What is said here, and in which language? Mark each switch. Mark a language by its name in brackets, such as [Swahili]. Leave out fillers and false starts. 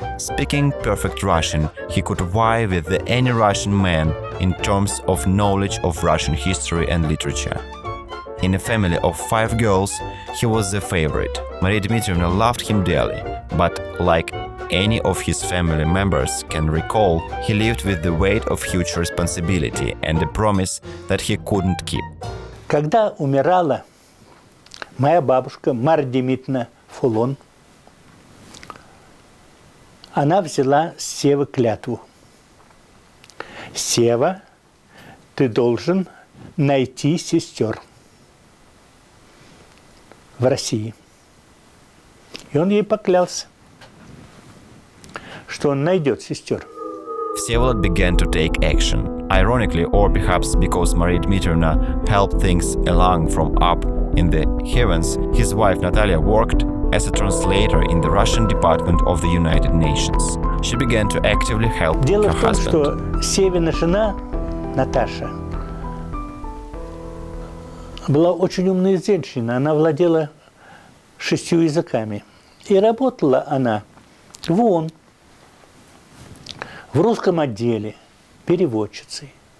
[English] Speaking perfect Russian, he could vie with any Russian man in terms of knowledge of Russian history and literature. In a family of five girls, he was the favorite. Мария Дмитриевна loved him dearly, but like any of his family members can recall, he lived with the weight of huge responsibility and a promise that he couldn't keep. [Russian] Когда умирала моя бабушка Марья Дмитриевна Фулон, она взяла с Севы клятву. Сева, ты должен найти сестер в России. И он ей поклялся, что он найдет сестер. [English] Всеволод began to take action. Ironically, or perhaps because Мария Дмитриевна helped things along from up in the heavens, his wife Natalia worked as a translator in the Russian Department of the United Nations. She began to actively help [Russian] Дело [English] her husband. [Russian] Дело в том, что Севина жена, Наташа, была очень умная женщина. Она владела шестью языками. И работала она в ООН, в русском отделе, переводчицей.